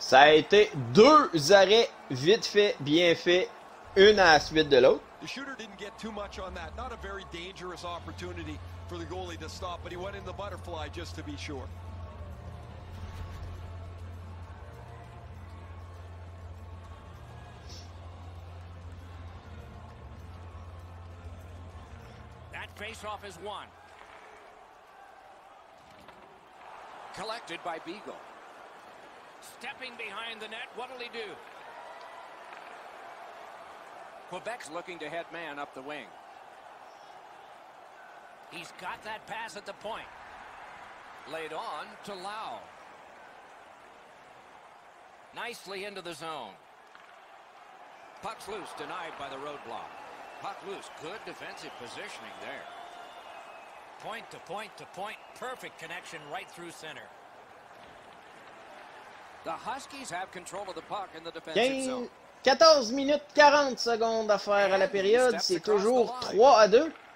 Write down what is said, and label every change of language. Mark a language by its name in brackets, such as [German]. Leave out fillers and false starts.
[French] Ça a été deux arrêts vite fait, bien fait. Une à la suite de l'autre. [English] The shooter didn't get too much on that. Not a very dangerous opportunity for the goalie to stop, but he went in the butterfly just to be sure. That faceoff is won. Collected by Beagle. Stepping behind the net, what'll he do? Quebec's looking to head man up the wing. He's got that pass at the point. Laid on to Lau. Nicely into the zone. Puck's loose, denied by the roadblock. Puck loose, good defensive positioning there. Point to point to point, perfect connection right through center. The Huskies have control of the puck in the defensive zone. [French] 14 minutes 40 secondes à faire à la période, c'est toujours 3-2.